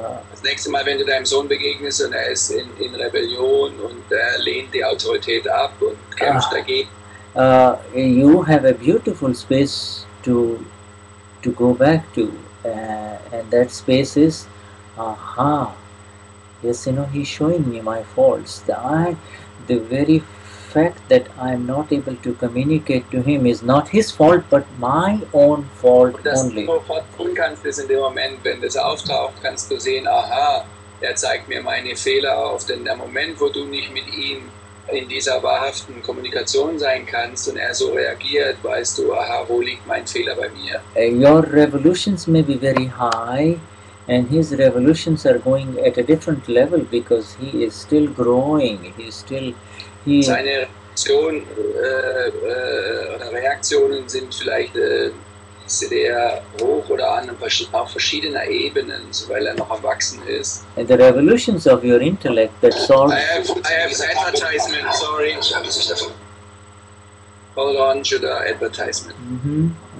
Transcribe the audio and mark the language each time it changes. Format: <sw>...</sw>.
<de>das nächste Mal, wenn du deinem Sohn begegnest und er ist in Rebellion und er lehnt die Autorität ab und kämpft dagegen,</de> <en>You have a beautiful space to go back to, and that space is, aha, yes, you know, he's showing me my faults. The very fact that I'm not able to communicate to him is not his fault, but my own fault only.</en> <de>Und das sofort tun kannst, ist in dem Moment, wenn das auftaucht, kannst du sehen, aha, er zeigt mir meine Fehler auf, denn der Moment, wo du nicht mit ihm in dieser wahrhaften Kommunikation sein kannst und er so reagiert, weißt du, aha, wo liegt mein Fehler bei mir?</de> <en>Your revolutions may be very high and his revolutions are going at a different level because he is still growing,</en> <de>Seine Reaktionen oder Reaktionen sind vielleicht sehr hoch oder auf verschiedener Ebenen, so weil er noch erwachsen ist.</de> <en>And the revolutions of your intellect that solves... I have advertisement, sorry. Hold on to the advertisement. Mm-hmm.</en>